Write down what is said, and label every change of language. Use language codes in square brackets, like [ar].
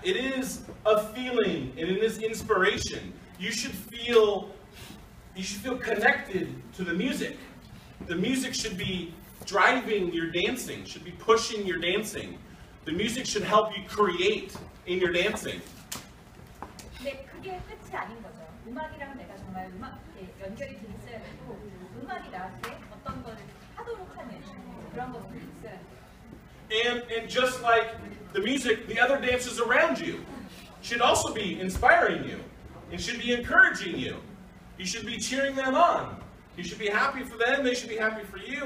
[en] It is a feeling, and it is inspiration. You should feel connected to the music. The music should be driving your dancing, should be pushing your dancing. The music should help you create in your dancing. [ko] 네, 그게 끝이 아닌 거죠. 음악이랑 내가 정말 음악 이렇게 연결이 돼 있어야 되고 음악이 나한테 어떤 거를 하도록 하는 그런 것도 있어야 돼. [en] And just like the music, the other dancers around you should also be inspiring you and should be encouraging you. You should be cheering them on. You should be happy for them, they should be happy for you.